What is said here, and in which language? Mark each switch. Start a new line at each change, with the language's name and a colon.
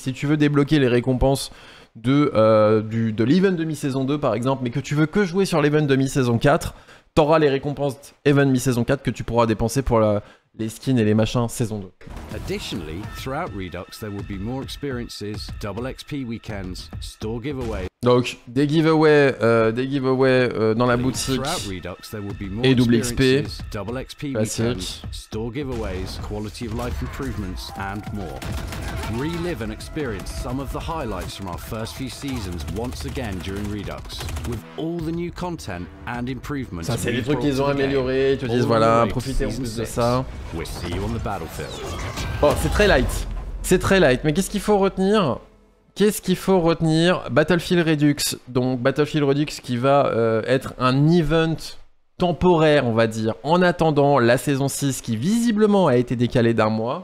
French: Si tu veux débloquer les récompenses de l'event de mi-saison 2 par exemple, mais que tu veux que jouer sur l'event de mi-saison 4, t'auras les récompenses event de mi-saison 4 que tu pourras dépenser pour les skins et les machins saison 2.
English: Additionally, throughout Redux, there will be more experiences, double XP weekends, store giveaways.
French: Donc des giveaways dans la boutique Redux, et double XP, classique.
English: Store giveaways, quality of life improvements and more. Relive and experience some of the highlights from our first few seasons once again during Redux with all the new content and improvements.
French: Ça c'est les trucs qu'ils ont améliorés, ils te disent voilà, profitez en plus de ça. We'll see you on the battlefield. Bon, c'est très light. C'est très light, mais qu'est-ce qu'il faut retenir? Qu'est-ce qu'il faut retenir? Battlefield Redux. Donc Battlefield Redux qui va être un event temporaire, on va dire, en attendant la saison 6 qui visiblement a été décalée d'un mois.